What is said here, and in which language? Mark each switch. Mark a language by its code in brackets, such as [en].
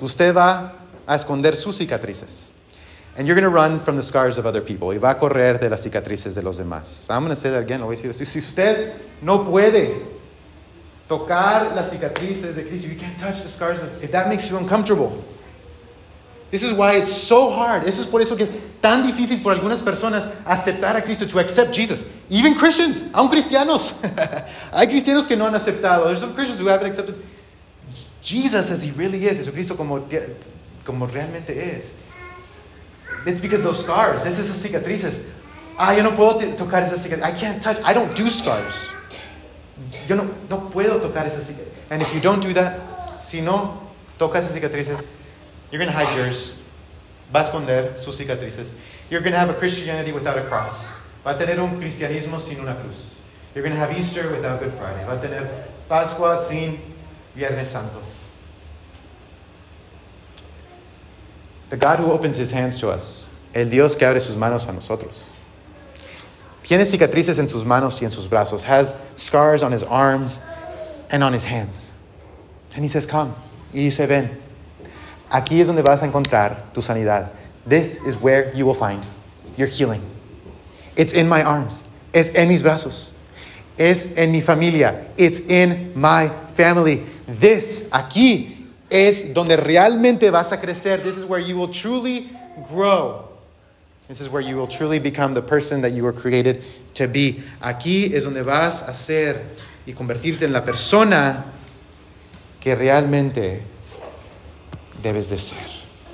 [es] Usted va a esconder sus cicatrices. [en] And you're going to run from the scars of other people. [es] Y va a correr de las cicatrices de los demás. [en] So I'm going to say that again. [es] Lo voy a decir. Si usted no puede Tocar las cicatrices de Cristo. [en] You can't touch the scars of, if that makes you uncomfortable. This is why it's so hard. [es] Eso es por eso que es tan difícil por algunas personas aceptar a Cristo, [en] to accept Jesus. Even Christians, [es] aun cristianos. Hay cristianos que no han aceptado. [en] There's some Christians who haven't accepted Jesus as he really is. [es] Jesucristo como realmente es. [en] It's because those scars, [es] es esas cicatrices. Ah, yo no puedo tocar esas cicatrices. [en] I can't touch, I don't do scars. [es] Yo no puedo tocar esas cicatrices. [en] And if you don't do that, [es] si no tocas esas cicatrices, [en] you're going to hide yours. [es] Va a esconder sus cicatrices. [en] You're going to have a Christianity without a cross. [es] Va a tener un cristianismo sin una cruz. [en] You're going to have Easter without Good Friday. [es] Va a tener Pascua sin Viernes Santo. [en] The God who opens his hands to us. [es] El Dios que abre sus manos a nosotros. Tiene cicatrices en sus manos y en sus brazos. [en] Has scars on his arms and on his hands. And he says, come. [es] Y dice, ven. Aquí es donde vas a encontrar tu sanidad. [en] This is where you will find your healing. It's in my arms. [es] Es en mis brazos. Es en mi familia. [en] It's in my family. This, [es] aquí, es donde realmente vas a crecer. [en] This is where you will truly grow. This is where you will truly become the person that you were created to be. [es] Aquí es donde vas a ser y convertirte en la persona que realmente debes de ser.